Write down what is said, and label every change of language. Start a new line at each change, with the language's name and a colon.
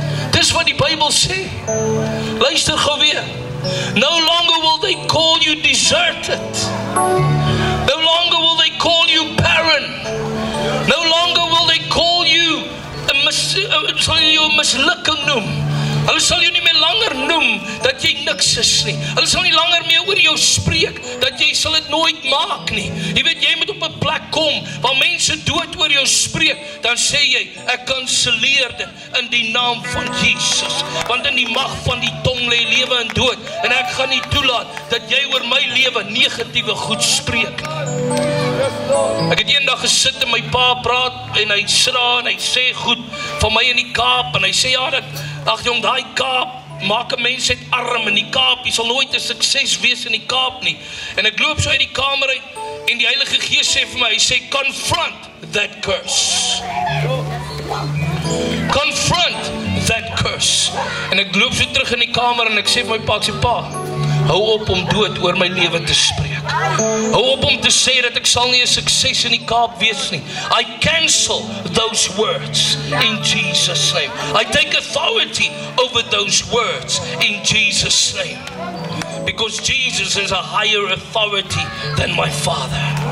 English: That's what the Bible says.
Afrikaans: Luister gou weer.
English: No longer will they call you deserted. No longer will they call you barren. No longer will they call you
Afrikaans: mislukking noem. Hulle sal jou nie meer langer noem dat jy niks is nie. Hulle sal nie langer meer oor jou spreek dat jy sal dit nooit maak nie. Jy weet, jy moet op 'n plek kom waar mense dood oor jou spreek, dan sê jy, ek kanselleer dit in die naam van Jesus. Want in die mag van die tong lê lewe en dood, en ek gaan nie toelaat dat jy oor my lewe negatiewe goed spreek nie. Ek het eendag gesit en my pa praat en hy sra en hy sê goed van my in die Kaap en hy sê ja dat ag jong, daai Kaap maak 'n mens uit arm in die Kaap. Jy sal nooit 'n sukses wees in die Kaap nie. En ek loop so uit die kamer uit en die Heilige Gees sê vir my, hy sê
English: confront that curse. Confront that curse.
Afrikaans: En ek loop so terug in die kamer en ek sê vir my pa, ek sê pa, hou op om dood oor my lewe te spreek. Hou op om te sê dat ek sal nie 'n sukses in die Kaap wees nie.
English: I cancel those words in Jesus' name. I take authority over those words in Jesus' name. Because Jesus is a higher authority than my Father.